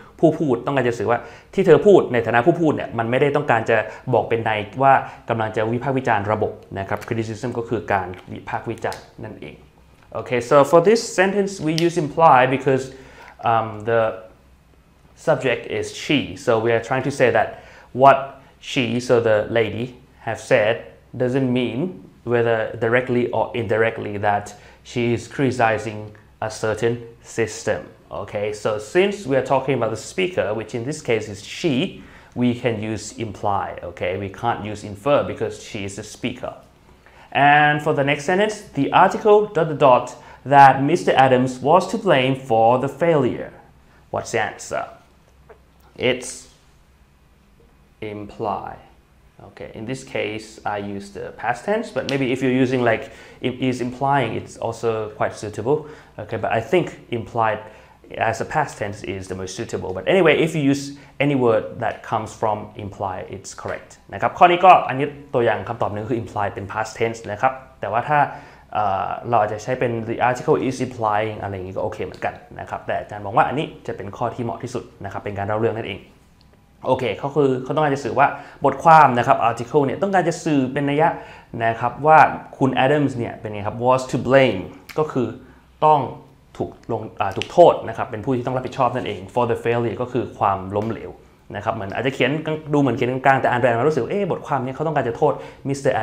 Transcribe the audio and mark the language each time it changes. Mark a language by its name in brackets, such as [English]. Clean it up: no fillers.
[Thai] ผู้พูดต้องการจะสื่อว่าที่เธอพูดในฐานะผู้พูดเนี่ยมันไม่ได้ต้องการจะบอกเป็นในว่ากำลังจะวิพากษ์วิจารณ์ระบบนะครับ [English] criticism [Thai] ก็คือการวิพากษ์วิจารณ์นั่นเองโอเค [English] so for this sentence we use imply because the subject is she so we are trying to say that what she so the lady have said doesn't mean whether directly or indirectly thatShe is criticizing a certain system. Okay, so since we are talking about the speaker, which in this case is she, we can use imply. Okay, we can't use infer because she is the speaker. And for the next sentence, the article dot dot dot that Mr. Adams was to blame for the failure. What's the answer? It's imply. Okay, in this case, I use the past tense, but maybe if you're using like is implying, it's also quite suitable. Okay, but I think implied as a past tense is the most suitable. But anyway, if you use any word that comes from imply, it's correct. [Thai] นะครับข้อนี้ก็อันนี้ตัวอย่างคำตอบหนึ่งคือ imply เป็น past tense นะครับแต่ว่าถ้าเราจะใช้เป็น the article is implying อะไรอย่างนี้ก็โอเคเหมือนกันนะครับแต่อาจารย์มองว่าอันนี้จะเป็นข้อที่เหมาะที่สุดนะครับเป็นการเล่าเรื่องนั่นเอง โอเคเขาคือเขาต้องการจะสื่อว่าบทความนะครับ article เนี่ยต้องการจะสื่อเป็นนัยยะนะครับว่าคุณ Adams เนี่ยเป็นไงครับ [English] was to blame [Thai] ก็คือต้องถูกลงถูกโทษนะครับเป็นผู้ที่ต้องรับผิดชอบนั่นเอง [English] for the failure [Thai] ก็คือความล้มเหลวนะครับเหมือนอาจจะเขียนดูเหมือนเขียนกลางๆแต่อ่านไปมันรู้สึกเอ๊ะบทความนี้เขาต้องการจะโทษ Mr.